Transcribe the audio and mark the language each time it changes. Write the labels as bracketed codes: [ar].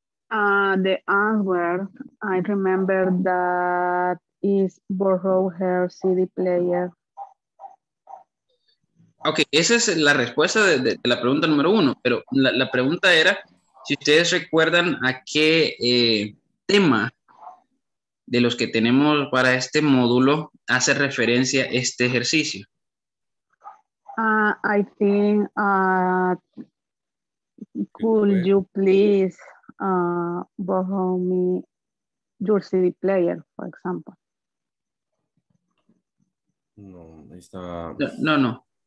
[en] The answer, I remember that is borrow her CD player. [es] Ok, esa es la respuesta de la pregunta número uno, pero la pregunta era si ustedes recuerdan a qué tema de los que tenemos para este módulo hace referencia este ejercicio. [en] I think, could you please borrow me your CD player, for example? [es] No,